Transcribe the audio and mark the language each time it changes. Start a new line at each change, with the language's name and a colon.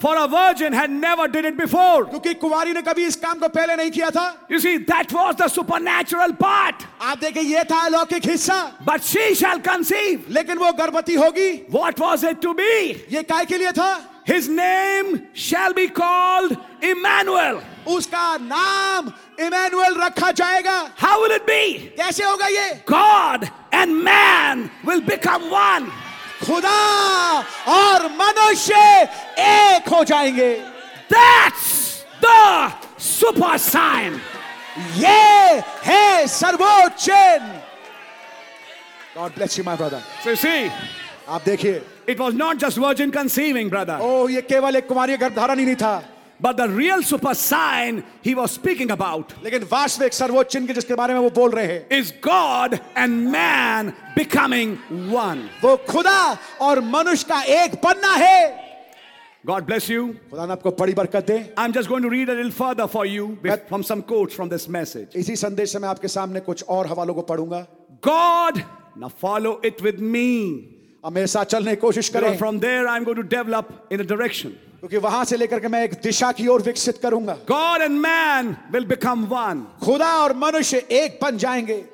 English: For a virgin had never did it before.
Hindi: क्योंकि कुमारी ने कभी इस काम को पहले नहीं किया था.
English: You see, that was the supernatural part.
Hindi: आप देखें ये था अलौकिक हिस्सा.
English: But she shall conceive.
Hindi: लेकिन वो गर्भवती होगी.
English: What was it to be?
Hindi: ये काय के लिए था?
English: His name shall be called Emmanuel.
Hindi: उसका नाम Emmanuel रखा जाएगा.
English: How will it be?
Hindi: कैसे होगा ये?
English: God and man will become one.
Hindi: खुदा और मनुष्य एक हो जाएंगे.
English: That's the super sign.
Hindi: ये है सर्वोच्च चिन्ह.
English: God bless you, my brother. So you see,
Hindi: आप देखिए.
English: It was not just virgin conceiving, brother.
Hindi: Oh, ये केवल एक कुमारी गर्भधारण ही नहीं था.
English: But the real super sign he was speaking about.
Hindi: लेकिन वास्तविक सर्वोच्च चिन्ह के जिसके बारे में वो बोल रहे हैं.
English: Is God and man becoming one.
Hindi: वो खुदा और मनुष्य का एक बनना है.
English: God bless you.
Hindi: खुदा ने आपको बड़ी बरकत दे.
English: I'm just going to read a little further for you from some quotes from this message.
Hindi: इसी संदेश में आपके सामने कुछ और हवालों को पढ़ूंगा.
English: God, now follow it with me.
Hindi: अब मेरे साथ चलने की कोशिश करें.
English: From there I'm going to develop in a direction.
Hindi: क्योंकि वहां से लेकर के मैं एक दिशा की ओर विकसित करूंगा.
English: God and man will become one.
Hindi: खुदा और मनुष्य एक बन जाएंगे.